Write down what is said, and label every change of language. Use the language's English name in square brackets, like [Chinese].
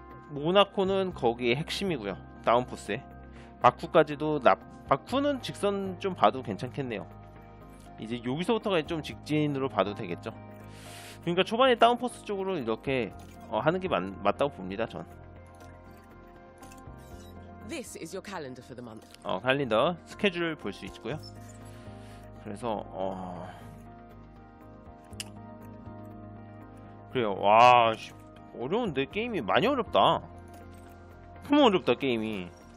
[Korean] 모나코는 거기에 핵심이고요. 다운포스에 바쿠까지도 바쿠는 직선 좀 봐도 괜찮겠네요. 이제 여기서부터가 좀 직진으로 봐도 되겠죠. 그러니까 초반에 다운포스 쪽으로 이렇게 하는 게 맞다고 봅니다. [English] 전 This is your calendar for the month. [Korean] 캘린더 스케줄을 볼 수 있고요. 그래서 그래요. 와 어려운데 게임이 많이 어렵다. 너무 어렵다 게임이.